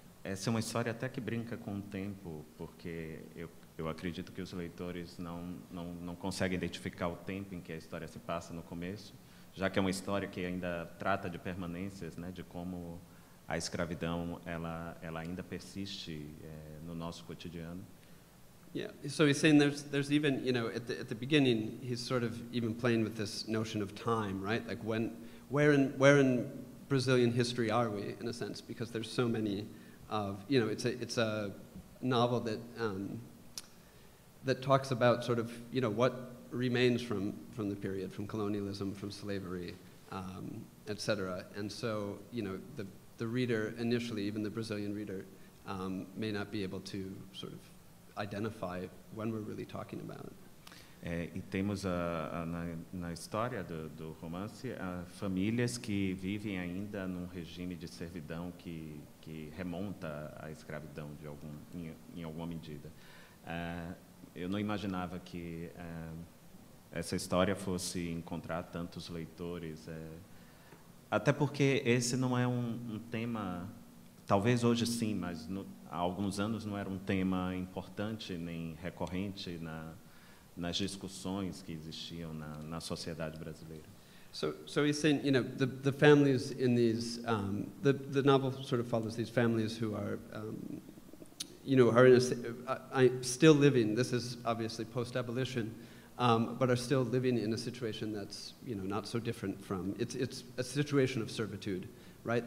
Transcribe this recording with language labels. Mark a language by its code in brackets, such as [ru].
[pt] Essa é uma história até que brinca com o tempo, porque eu acredito que os leitores não conseguem identificar o tempo em que a história se passa no começo, já que é uma história que ainda trata de permanências, né, de como a escravidão ela ainda persiste no nosso cotidiano. [en] Yeah, so he's saying there's even, you know, at the beginning he's sort of even playing with this notion of time, right? Like where in Brazilian history are we, in a sense, because there's so many of, you know, it's a novel that that talks about sort of, you know, what remains from the period, from colonialism, from slavery, etc. And so, you know, the reader initially, even the Brazilian reader, may not be able to sort of identify when we're really talking about. [pt] E temos na história do romance famílias que vivem ainda num regime de servidão que remonta à escravidão de em alguma medida. Eu não imaginava que essa história fosse encontrar tantos leitores, até porque esse não é um tema, talvez hoje sim, mas há alguns anos não era um tema importante nem recorrente nas discussões que existiam na sociedade brasileira. [en] So he's saying, you know, the families in these, the novel sort of follows these families who are, you know, are in a, still living, this is obviously post-abolition, but are still living in a situation that's, you know, not so different from, it's a situation of servitude, right?